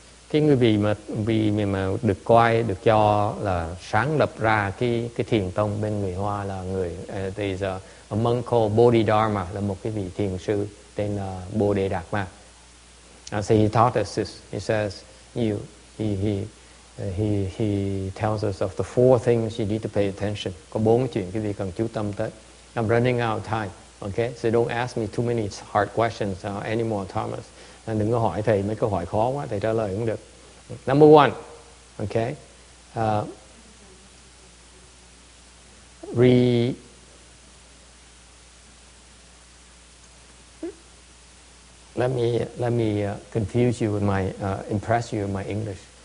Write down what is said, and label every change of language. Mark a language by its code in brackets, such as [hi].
[vi] Cái người bị mà được coi được cho là sáng lập ra cái thiền tông bên người Hoa là người [en] is a monk called Bodhidharma, [vi] là một cái vị thiền sư tên là Bodhidharma. [en] So he taught us this. He says he tells us of the four things you need to pay attention. [vi] Có bốn chuyện cái gì cần chú tâm tới. [en] I'm running out of time. Okay, so don't ask me too many hard questions anymore, Thomas. [vi] Nên đừng có hỏi thầy mấy câu hỏi khó quá, thầy trả lời cũng được. [en] Number one, okay, let me confuse you with my impress you with my English.